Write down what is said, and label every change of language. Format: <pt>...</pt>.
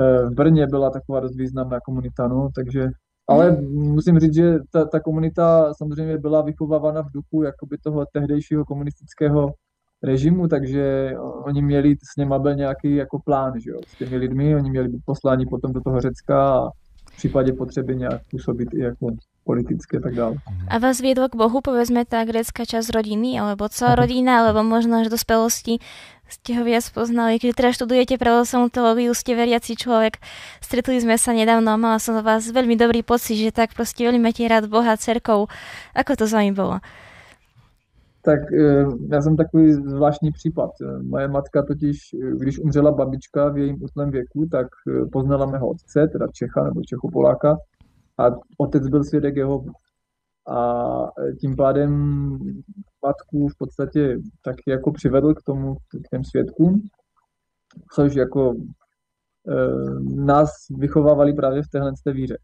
<cs>V Brně byla taková dost významná komunita, no, takže, ale musím říct, že ta komunita samozřejmě byla vychovávána v duchu jakoby toho tehdejšího komunistického režimu, takže oni měli, s něma byl nějaký jako plán, že jo, s těmi lidmi, oni měli být posláni potom do toho Řecka a v případě potřeby nějak působit i jako politicky a tak dále.</cs> <sk>A vás viedlo k Bohu, povedzme, tá grécka časť rodiny, alebo celá rodina, alebo možno až v dospelosti ste ho viac poznali. Keď teraz študujete pravoslavnú teológiu, ste veriaci človek. Stretli sme sa nedávno a mala som za vás veľmi dobrý pocit, že tak proste veľmi máte rád Boha, cerkov. Ako to s vami bolo?</sk> <cs>Tak já jsem takový zvláštní případ. Moje matka totiž, když umřela babička v jejím útlém věku, tak poznala mého otce, teda Čecha nebo Čechopoláka, a otec byl svědek Jehovy. A tím pádem matku v podstatě taky jako přivedl k tomu, k těm svědkům, což jako nás vychovávali právě v téhle té víře.</cs>